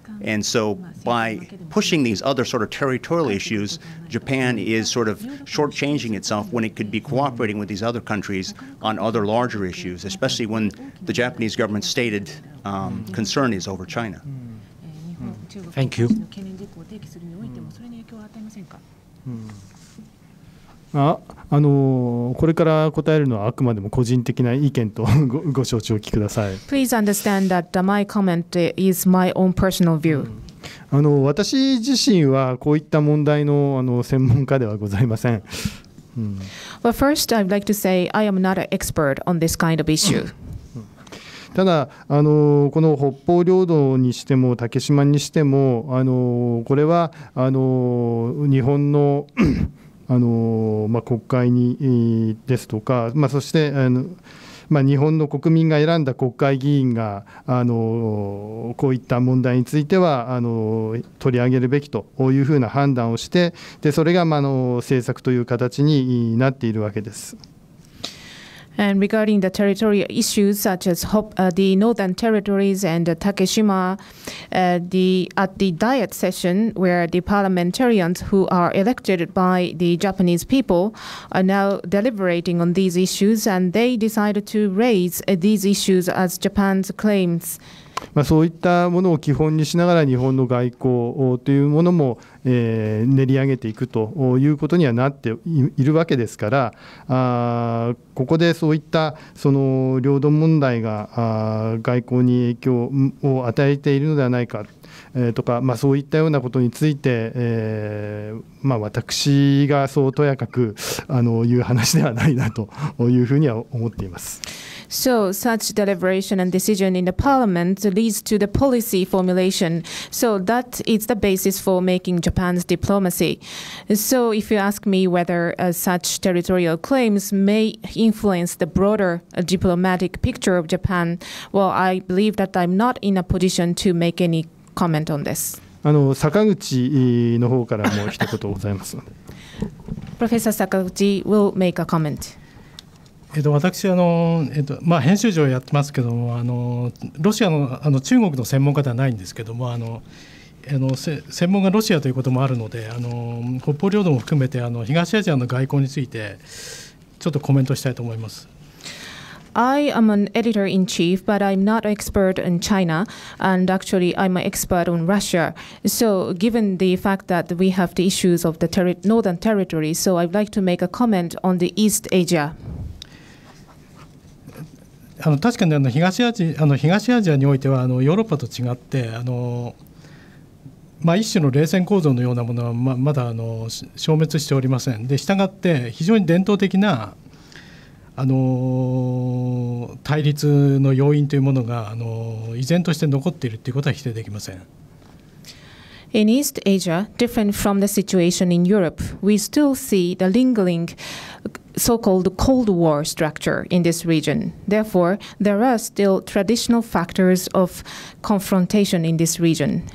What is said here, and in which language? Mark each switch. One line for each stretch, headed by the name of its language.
English: And so by pushing these other sort of territorial issues, Japan is sort of shortchanging itself when it could be cooperating with these other countries on other larger issues, especially when the Japanese government stated concern is over China. Thank you.
Japanese: これから答えるのはあくまでも個人的な意見と ご承知を聞きください。
English: Please understand that my comment is my own personal view.
Japanese: 私自身はこういった問題 の専門家ではございません。
English: Well, first, I'd like to say I am not an expert on this kind of issue.
Japanese: ただこの北方領土にしても竹島にしてもこれは日本の国会にですとか、そして日本の国民が選んだ国会議員がこういった問題については取り上げるべきというふうな判断をして、でそれが政策という形になっているわけです。
English: And regarding the territorial issues such as the Northern Territories and Takeshima, at the Diet session where the parliamentarians who are elected by the Japanese people are now deliberating on these issues, and they decided to raise these issues as Japan's claims.
Japanese: そういったものを基本にしながら日本の外交というものも練り上げていくということにはなっているわけですから、ここでそういったその領土問題が外交に影響を与えているのではないかとか、そういったようなことについて、私がそうとやかく言う話ではないなというふうには思っています。
English: So such deliberation and decision in the parliament leads to the policy formulation. So that is the basis for making Japan's diplomacy. So if you ask me whether such territorial claims may influence the broader diplomatic picture of Japan, well, I believe that I'm not in a position to make any comment on this.
Japanese: 坂口の方からも一言ございますので。
English: Professor Sakaguchi will make a comment.
Japanese: 私は編集長をやってますけども、ロシア の中国の専門家ではないんですけども、専門がロシアということもあるので、北方領土も含めて東アジアの外交についてちょっとコメントしたいと思います。
English: I am an editor in chief, but I'm not an expert in China, and actually I'm an expert on Russia. So given the fact that we have the issues of the Northern Territory, so I'd like to make a comment on the East Asia.
Japanese: 確かに東アジアにおいてはヨーロッパと違って一種の冷戦構造のようなものは まだ消滅しておりません。で、したがって非常に伝統的な対立の要因というものが依然として残っているということは否定できません。
English: In East Asia, different from the situation in Europe, we still see the lingering so-called Cold War structure in this region. Therefore, there are still traditional factors of confrontation in this region.